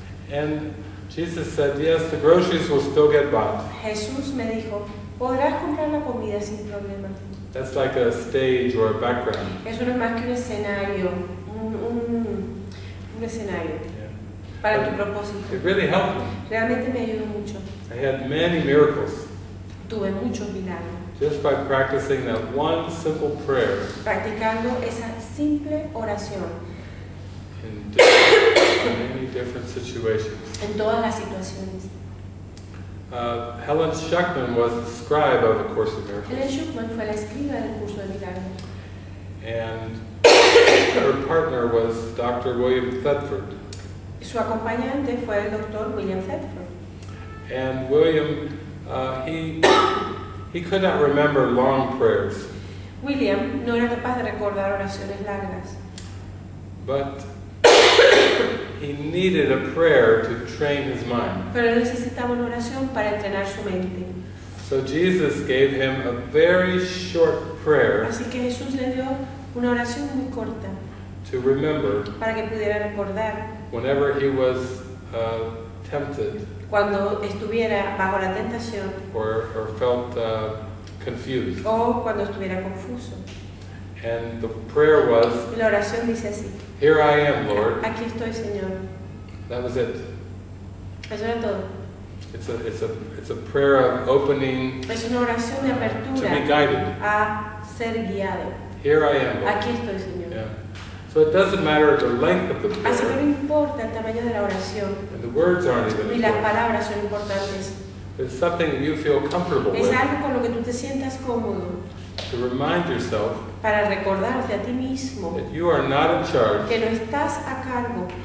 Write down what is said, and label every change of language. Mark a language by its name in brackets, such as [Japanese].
[English] And Jesus said, yes, the groceries will still get bought. [Spanish] Jesús me dijo, podrás comprar la comida sin problema. [English] That's like a stage or a background. [Spanish] Eso no es más que un escenario. Un escenario. Para But tu propósito. [English] It really helped me. [Spanish] Realmente me ayudó mucho. [English] I had many miracles. [Spanish] Tuve muchos milagros. [English] Just by practicing that one simple prayer. [Spanish] Practicando esa simple oración. [English] In many different situations. [Spanish] En todas las situaciones. [English] Helen Schuckman was the scribe of the Course in Miracles. [Spanish] Helen Schuckman fue la escriba del curso de milagros. [English] And her partner was Dr. William Thetford. [Spanish] Su acompañante fue el doctor William Thetford. [English] And William, he could not remember long prayers. [Spanish] William no era capaz de recordar oraciones largas. [English] But he needed a prayer to train his mind. [Spanish] Pero necesitaba una oración para entrenar su mente. [English] So Jesus gave him a very short prayer. [Spanish] Así que Jesús le dio una oración muy corta. [English] To remember. [Spanish] Para que pudiera recordar. [English] Whenever he was tempted, [Spanish] cuando estuviera bajo la tentación, [English] or felt confused, [Spanish] o cuando estuviera confuso, [English] and the prayer was, [Spanish] y la oración dice así, [English] "Here I am, Lord." [Spanish] Aquí estoy, Señor. [English] That was it. [Spanish] Eso era todo. [English] It's a prayer of opening. [Spanish] Es una oración de apertura. [English] To be guided. [Spanish] A ser guiado. [English] Here I am, Lord. [Spanish] Aquí estoy, Señor. [English] Yeah. So it doesn't matter the length of the prayer. [Spanish] Así que no importa el tamaño de la oración. [English] And the words aren't even [Spanish] ni las palabras son importantes. [English] It's something you feel comfortable [Spanish] es [English] with. [Spanish] Algo con lo que tú te sientas cómodo. [English] To remind yourself [Spanish] para recordarte a ti mismo [English] that you are not in charge. [Spanish] Que no estás a cargo.